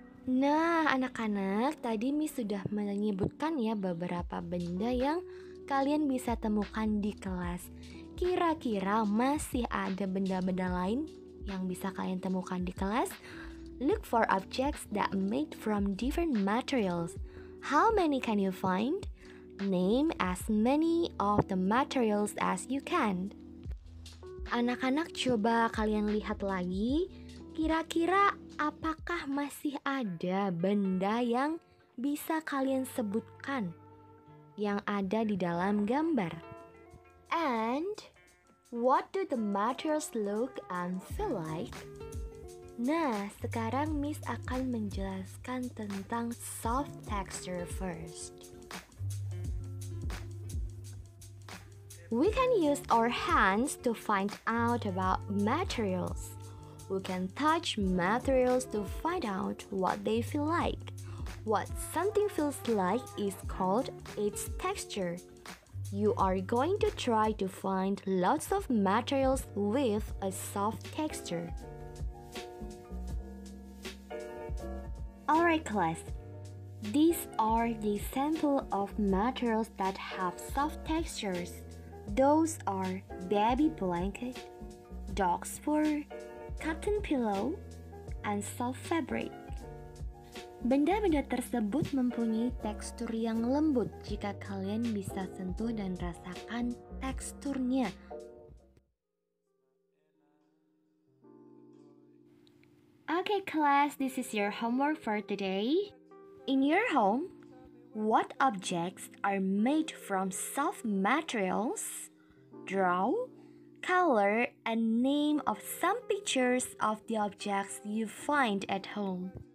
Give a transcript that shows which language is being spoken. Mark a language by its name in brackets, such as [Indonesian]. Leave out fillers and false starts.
[Indonesian] Nah, anak-anak, tadi Miss sudah menyebutkan ya beberapa benda yang kalian bisa temukan di kelas. Kira-kira masih ada benda-benda lain yang bisa kalian temukan di kelas? [English] Look for objects that are made from different materials. How many can you find? Name as many of the materials as you can. [Indonesian] Anak-anak, coba kalian lihat lagi. Kira-kira apakah masih ada benda yang bisa kalian sebutkan yang ada di dalam gambar? [English] And what do the materials look and feel like? [Indonesian] Nah, sekarang Miss akan menjelaskan tentang [English] soft texture first. We can use our hands to find out about materials. We can touch materials to find out what they feel like. What something feels like is called its texture. You are going to try to find lots of materials with a soft texture. Alright class, these are the sample of materials that have soft textures. Those are baby blanket, dog's fur, cotton pillow, and soft fabric. [Indonesian] Benda-benda tersebut mempunyai tekstur yang lembut jika kalian bisa sentuh dan rasakan teksturnya. [English] Okay class, this is your homework for today. In your home, what objects are made from soft materials? Draw, color, and name of some pictures of the objects you find at home.